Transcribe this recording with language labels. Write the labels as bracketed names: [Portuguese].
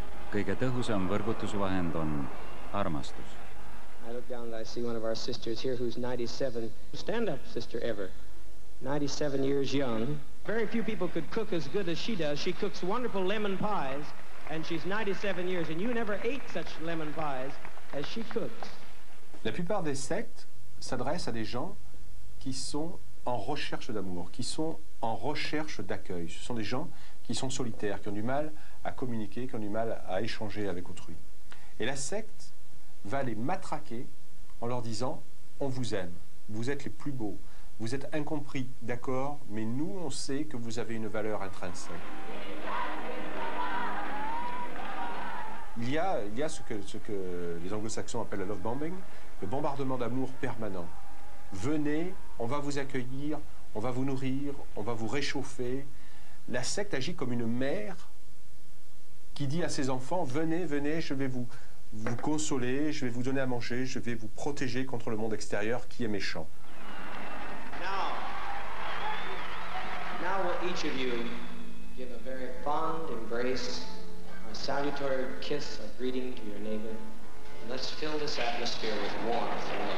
[Estonian] Kõige tõhusam võrgutusvahend on armastus. [English] I look down and I see one of our sisters here who's 97. Stand up, sister ever. 97 years young. Very few people could cook as good as she does. She cooks wonderful lemon pies and she's 97 years and you never ate such lemon pies as she cooks. [French] La plupart des sectes s'adressent à des gens qui sont en recherche d'amour, qui sont en recherche d'accueil. Ce sont des gens qui sont solitaires, qui ont du mal à communiquer, qui ont du mal à échanger avec autrui. Et la secte va les matraquer en leur disant « on vous aime, vous êtes les plus beaux, vous êtes incompris, d'accord, mais nous on sait que vous avez une valeur intrinsèque ». Il y a ce que les anglo-saxons appellent le love bombing, le bombardement d'amour permanent. Venez, on va vous accueillir, on va vous nourrir, on va vous réchauffer. La secte agit comme une mère qui dit à ses enfants, venez, venez, je vais vous consoler, je vais vous donner à manger, je vais vous protéger contre le monde extérieur qui est méchant. [English] Now will each of you give a very fond embrace. A salutary kiss, a greeting to your neighbor. Let's fill this atmosphere with warmth.